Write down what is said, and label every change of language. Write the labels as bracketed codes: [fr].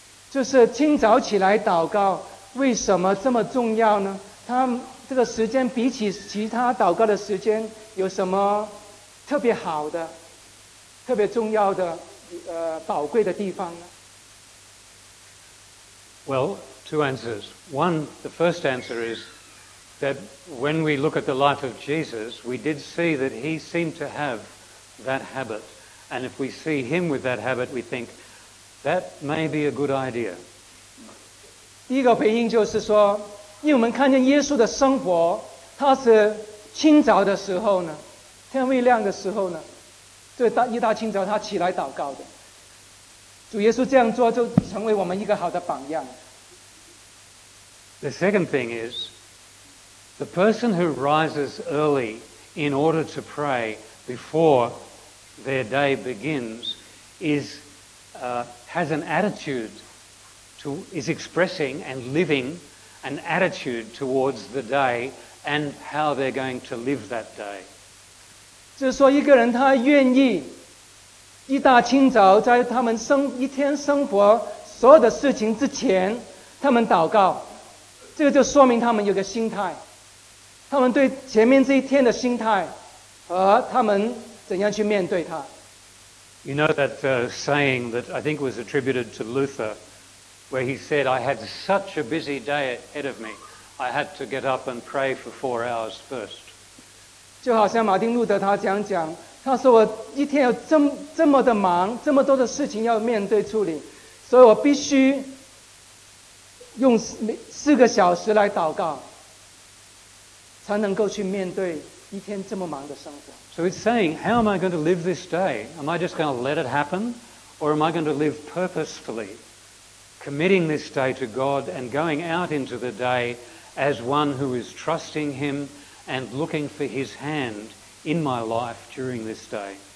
[zh] 就是清早起来祷告，为什么这么重要呢？它 这个时间比起其他祷告的时间，有什么特别好的、特别重要的、宝贵的地方呢？ [en] Well, two answers. One, the first answer is that when we look at the life of Jesus, we did see that he seemed to have that habit. And if we see him with that habit, we think that may be a good idea. [zh] 第一个回应就是说， 因为我们看见耶稣的生活，他是清早的时候呢，天未亮的时候呢，就一大清早他起来祷告的。主耶稣这样做就成为我们一个好的榜样。 [en] The second thing is, the person who rises early in order to pray before their day begins has an attitude to, is expressing and living an attitude towards the day and how they're going to live that day. [zh] 就是说一个人他愿意一大清早在他们生一天生活所有的事情之前他们祷告，这个就说明他们有个心态，他们对前面这一天的心态和他们怎样去面对它。 [en] You know that saying that I think was attributed to Luther, where he said, I had such a busy day ahead of me, I had to get up and pray for 4 hours first. [zh] 就好像马丁路德他这样讲, 他说我一天有这么的忙, 这么多的事情要面对处理, 所以我必须用4个小时来祷告, 才能够去面对一天这么忙的生活。 [en] So it's saying, how am I going to live this day? Am I just going to let it happen? Or am I going to live purposefully, committing this day to God and going out into the day as one who is trusting Him and looking for His hand in my life during this day?